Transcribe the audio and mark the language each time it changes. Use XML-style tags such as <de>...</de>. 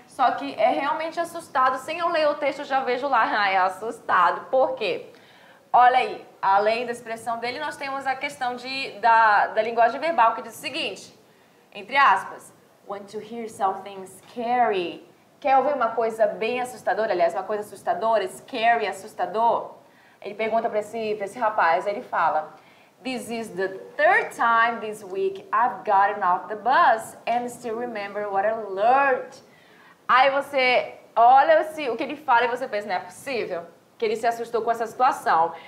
<pt>Só que é realmente assustado. Sem eu ler o texto, eu já vejo lá, é assustado. Por quê? Olha aí, além da expressão dele, nós temos a questão da linguagem verbal, que diz o seguinte, entre aspas,</pt> <en>want to hear something scary.</en> <pt>Quer ouvir uma coisa bem assustadora, aliás, uma coisa assustadora, scary, assustador? Ele pergunta para esse rapaz, ele fala,</pt> <en>this is the third time this week I've gotten off the bus and still remember what I learned.</en> <pt>Aí você olha o que ele fala e você pensa, não é possível que ele se assustou com essa situação.</pt>